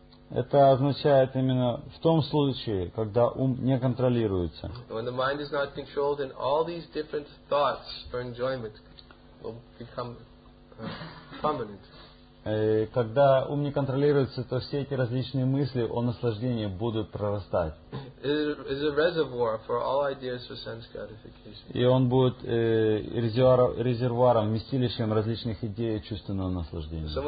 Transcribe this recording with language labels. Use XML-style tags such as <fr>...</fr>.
<ru>Это означает именно в том случае, когда ум не контролируется.</ru> <en>When the mind is not controlled, then all these different thoughts for enjoyment will become prominent.</en> <ru>Когда ум не контролируется, то все эти различные мысли о наслаждении будут прорастать. И он будет резервуаром, вместилищем различных идей чувственного наслаждения.</ru>